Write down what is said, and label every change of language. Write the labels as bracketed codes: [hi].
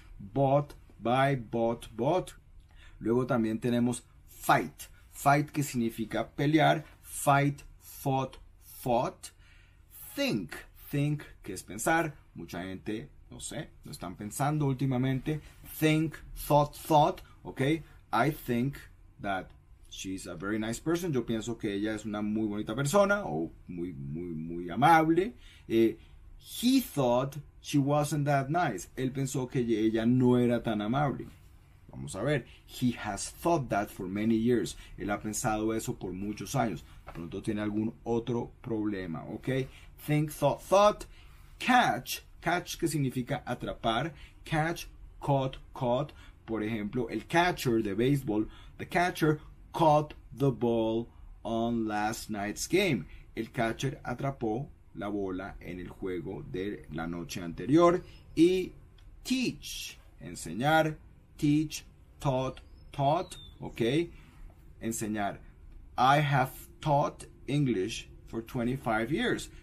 [es] Bought, buy, bought, bought. Luego también tenemos fight. Fight que significa pelear. Fight, fought, fought. Think. Think, que es pensar. Mucha gente, no sé, no están pensando últimamente. [en] Think, thought, thought, ok. I think that she's a very nice person. [es] Yo pienso que ella es una muy bonita persona o muy, muy, muy amable. [en] He thought she wasn't that nice. [es] Él pensó que ella no era tan amable. Vamos a ver. [en] He has thought that for many years. [es] Él ha pensado eso por muchos años. Pronto tiene algún otro problema, ok. Think, thought, thought. Catch. Catch que significa atrapar. Catch, caught, caught. Por ejemplo, el catcher de béisbol. [en] The catcher caught the ball on last night's game. [es] El catcher atrapó la bola en el juego de la noche anterior. Y teach. Enseñar. Teach, taught, taught. Ok. Enseñar. [en] I have taught English for 25 years.